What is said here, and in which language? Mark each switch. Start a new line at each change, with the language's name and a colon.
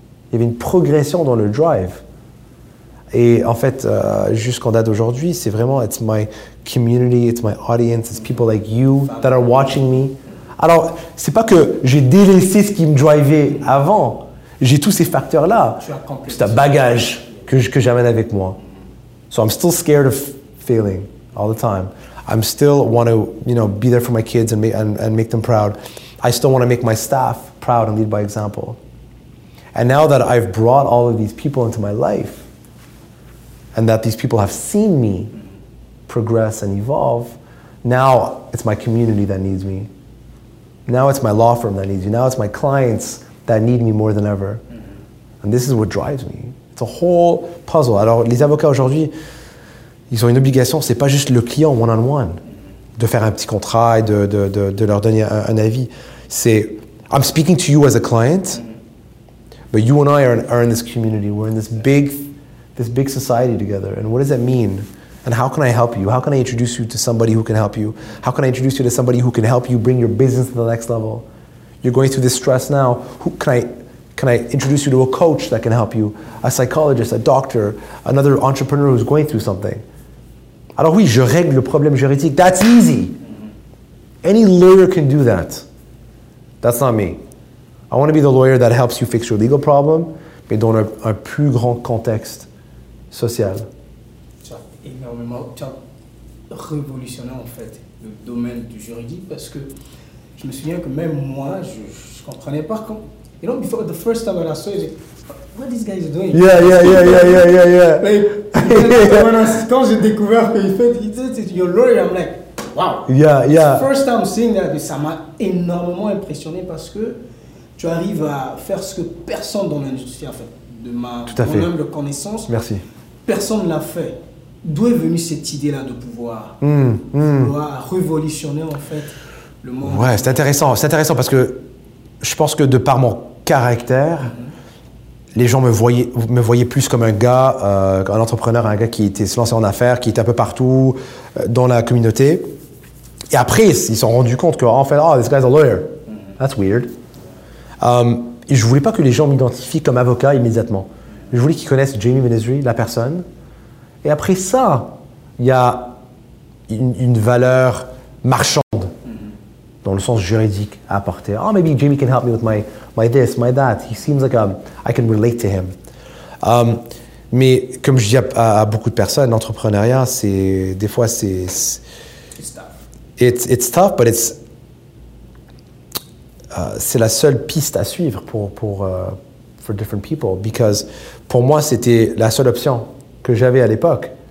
French: Il y avait une progression dans le drive. Et en fait, jusqu'en date d'aujourd'hui, c'est vraiment,
English: it's my community, it's my audience, it's people like you that are watching me.
French: Alors, c'est pas que j'ai délaissé ce qui me drivait avant. J'ai tous ces facteurs-là. C'est un bagage que j'amène avec moi.
English: So I'm still scared of failing all the time. I still want to, you know, be there for my kids and make them proud. I still want to make my staff proud and lead by example. And now that I've brought all of these people into my life, and that these people have seen me progress and evolve, now it's my community that needs me. Now it's my law firm that needs me. Now it's my clients that need me more than ever. And this is what drives me. It's a whole puzzle.
French: Alors, les avocats aujourd'hui, ils ont une obligation, c'est pas juste le client one-on-one, de faire un petit contrat et de leur donner un avis.
English: C'est, I'm speaking to you as a client, but you and I are in this community, we're in this big society together, and what does that mean? And how can I help you? How can I introduce you to somebody who can help you? How can I introduce you to somebody who can help you bring your business to the next level? You're going through this stress now, can I introduce you to a coach that can help you? A psychologist, a doctor, another entrepreneur who's going through something.
French: Alors oui, je règle le problème juridique.
English: That's easy. Any lawyer can do that. That's not me. I want to be the lawyer that helps you fix your legal problem,
French: mais dans un plus grand contexte social. Tu as révolutionné en fait le domaine du juridique parce que je me souviens que même moi, je comprenais pas comment.
English: You know, before the first time I saw it, what this guy is doing? Yeah. Like,
French: quand j'ai découvert que
English: he said, your lawyer, I'm like, wow. Yeah, yeah. The first time seeing that,
French: ça m'a énormément impressionné parce que tu arrives à faire ce que personne dans l'industrie a fait. De ma humble connaissance. Merci. Personne ne l'a fait. D'où est venue cette idée-là de pouvoir révolutionner en fait le monde? Ouais, c'est intéressant. C'est intéressant parce que je pense que de par mon caractère, les gens me voyaient plus comme un gars, un entrepreneur, un gars qui était se lançait en affaires, qui était un peu partout dans la communauté. Et après, ils se sont rendus compte que, en fait,
English: oh, this guy's a lawyer.
French: Mm-hmm.
English: That's weird.
French: Et je ne voulais pas que les gens m'identifient comme avocat immédiatement. Je voulais qu'ils connaissent Jamie Benizri, la personne. Et après ça, il y a une valeur marchande. Dans le sens juridique à apporter.
English: Oh, maybe Jamie can help me with my this, my that. He seems like I can relate to him.
French: Mais comme je dis à beaucoup de personnes, l'entrepreneuriat, c'est des fois c'est la seule piste à suivre
English: for different people because
French: pour moi c'était la seule option que j'avais à l'époque.